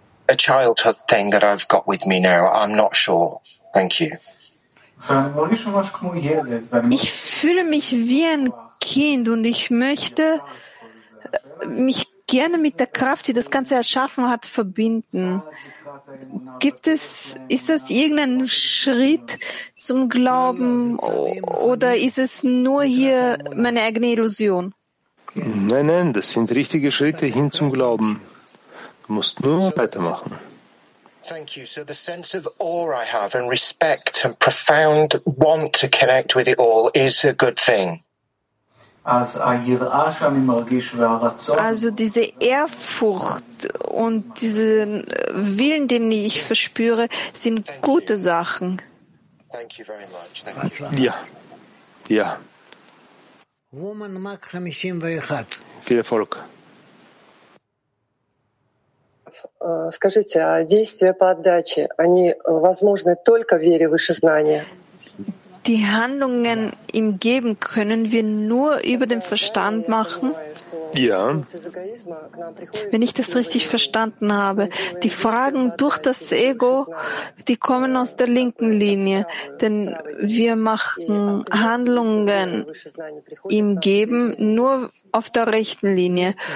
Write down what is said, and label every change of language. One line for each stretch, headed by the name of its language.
English: A childhood thing that I've got with me now. I'm not sure. Thank you.
German: Ich fühle mich wie ein Kind und ich möchte mich gerne mit der Kraft, die das Ganze erschaffen hat, verbinden. Ist das irgendein Schritt zum Glauben oder ist es nur hier meine eigene Illusion? Nein, nein, das sind richtige Schritte hin zum Glauben. Du musst nur weitermachen.
English: Thank you. So the sense of awe I have and respect and profound want to connect with it all is a good thing.
German: Also diese Ehrfurcht und diesen Willen, den ich verspüre, sind gute Sachen.
English: Thank you very much.
German: Ja. Ja.
English: Woman Mag 51.
German: Viel Erfolg.
Russian: Скажите, а действия по отдаче, они возможны только в вере выше знания?
German: Die Handlungen im Geben können wir nur über den Verstand machen? Ja. Wenn ich das richtig verstanden habe, die Fragen durch das Ego, die kommen aus der linken Linie. Denn wir machen Handlungen im Geben nur auf der rechten Linie.